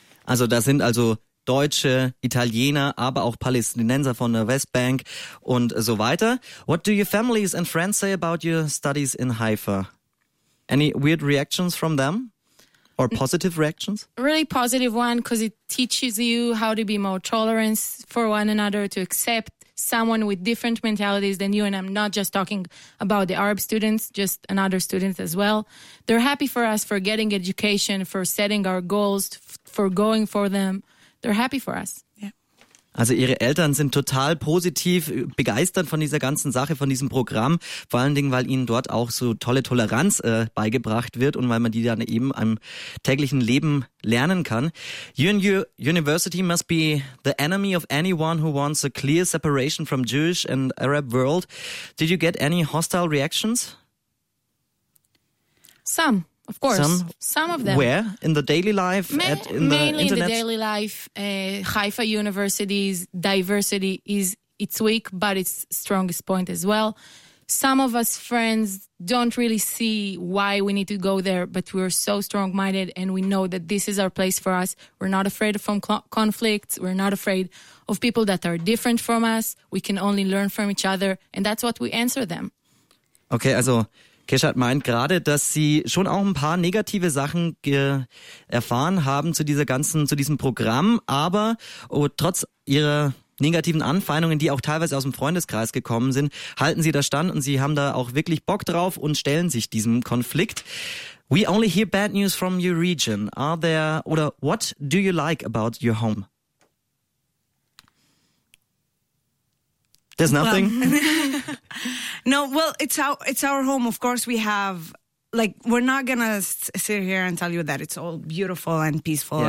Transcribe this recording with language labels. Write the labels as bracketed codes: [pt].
[de] Also da sind also Deutsche, Italiener, aber auch Palästinenser von der West Bank und so weiter. [en] What do your families and friends say about your studies in Haifa? Any weird reactions from them? Or positive reactions? Really positive one, because it teaches you how to be more tolerant for one another, to accept someone with different mentalities than you. And I'm not just talking about the Arab students, just another student as well. They're happy for us for getting education, for setting our goals, for going for them. They're happy for us. [de] Also ihre Eltern sind total positiv begeistert von dieser ganzen Sache, von diesem Programm. Vor allen Dingen, weil ihnen dort auch so tolle Toleranz beigebracht wird und weil man die dann eben im täglichen Leben lernen kann. [en] Your university must be the enemy of anyone who wants a clear separation from Jewish and Arab world. Did you get any hostile reactions? Some. Of course, some of them. Where? In the daily life? Mainly in the daily life. Haifa University's diversity is its weak, but its strongest point as well. Some of us friends don't really see why we need to go there, but we're so strong-minded and we know that this is our place for us. We're not afraid of conflicts. We're not afraid of people that are different from us. We can only learn from each other, and that's what we answer them. [de] Okay, also Kishat meint gerade, dass sie schon auch ein paar negative Sachen erfahren haben zu diesem Programm, aber trotz ihrer negativen Anfeindungen, die auch teilweise aus dem Freundeskreis gekommen sind, halten sie da stand und sie haben da auch wirklich Bock drauf und stellen sich diesem Konflikt. [en] We only hear bad news from your region. Are there, oder what do you like about your home? There's nothing. No, well, it's our home. Of course, we have like, we're not going to sit here and tell you that it's all beautiful and peaceful. Yeah.